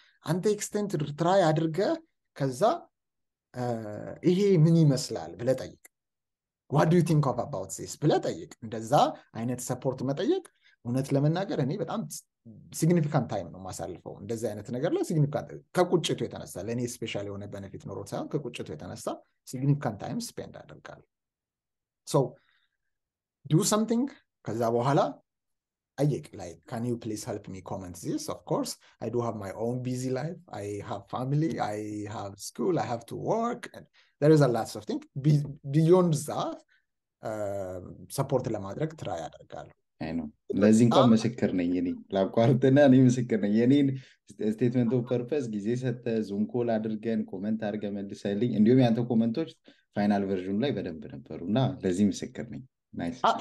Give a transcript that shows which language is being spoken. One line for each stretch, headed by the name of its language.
Amharic: አንተ ኤክስቴንት ትራይ አድርገህ ከዛ ይሄ ምን ይመስላል ብለህ ጠይቅ።
English: ዋት ዱ ዩ ቲንክ ኦፍ አባውት ዚስ
Amharic: ብለህ ጠይቅ። እንደዛ አይነት ሰፖርት መጠየቅ እውነት ለመናገር እኔ በጣም ሲግኒፊካንት ታይም ነው የማሳልፈው እንደዚህ አይነት ነገር ላይ። ሲግኒፊካንት ከቁጭቱ የተነሳ ለእኔ ስፔሻል የሆነ ቤኔፊት ኖሮ ሳይሆን ከቁጭቱ የተነሳ ሲግኒፊካንት ታይም ስፔንድ አደርጋለሁ።
English: ሶ ዱ ሰምቲንግ
Amharic: ከዛ በኋላ
English: Ayek, like, can you please help me comment this? Of course, I do have my own busy life. I have family, I have school, I have to work. And there is a lot of things. Beyond that, support
Amharic: la madrek
English: try adargal.
Amharic: ለዚህ እንኳን ምስክር ነኝ እኔ ላቋርጥና፣ እኔ ምስክር ነኝ። የኔን ስቴትመንት ኦፍ ፐርፐስ ጊዜ ሰተ ዙም ኮል አድርገን ኮመንት አድርገ መልሰልኝ፣ እንዲሁም ያንተ ኮመንቶች ፋይናል ቨርዥኑ ላይ በደንብ ነበሩ እና ለዚህ ምስክር ነኝ። ናይስ።